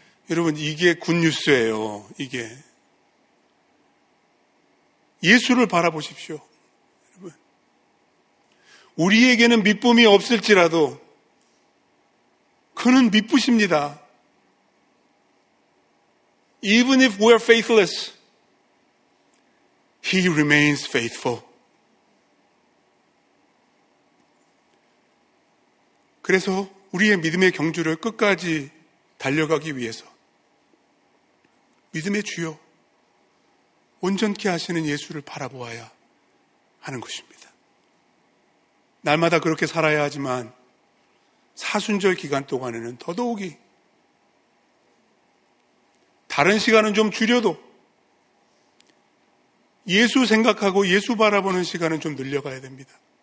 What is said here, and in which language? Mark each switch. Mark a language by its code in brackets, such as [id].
[ko] 여러분 이게 굿뉴스예요. 이게 예수를 바라보십시오. 여러분 우리에게는 믿음이 없을지라도 그는 믿으십니다. [en] Even if we're faithless, He remains faithful. [ko] 그래서 우리의 믿음의 경주를 끝까지 달려가기 위해서 믿음의 주요 온전케 하시는 예수를 바라보아야 하는 것입니다. 날마다 그렇게 살아야 하지만 사순절 기간 동안에는 더더욱이 다른 시간은 좀 줄여도 예수 생각하고 예수 바라보는 시간은 좀 늘려가야 됩니다.